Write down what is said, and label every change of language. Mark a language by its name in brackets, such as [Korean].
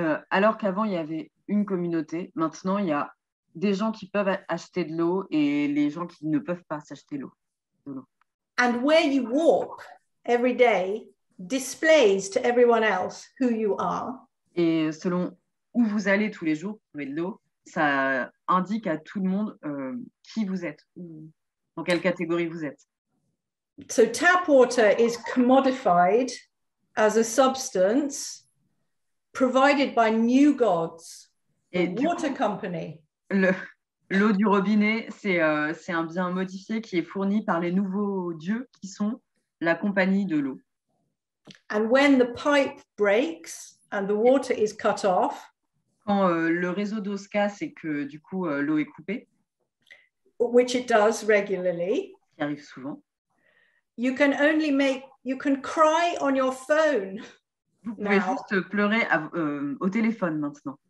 [French] Alors qu'avant il y avait une communauté, maintenant il y a des gens qui peuvent acheter de l'eau et les gens qui ne peuvent pas s'acheter l'eau. [English] And where you walk every day displays to everyone else who you are. [French] Et selon où vous allez tous les jours pour trouver de l'eau, ça indique à tout le monde qui vous êtes, dans quelle catégorie vous êtes. [English] So tap water is commodified as a substance. Provided by new gods, et the water coup, company. [French] L'eau du robinet, c'est un bien modifié qui est fourni par les nouveaux dieux qui sont la compagnie de l'eau. [English] And when the pipe breaks and the water is cut off, [French] quand le réseau d'eau se casse et que du coup l'eau est coupée, [English] which it does regularly, [French] qui arrive souvent, [English] you can cry on your phone. [French] Vous pouvez juste pleurer au téléphone maintenant.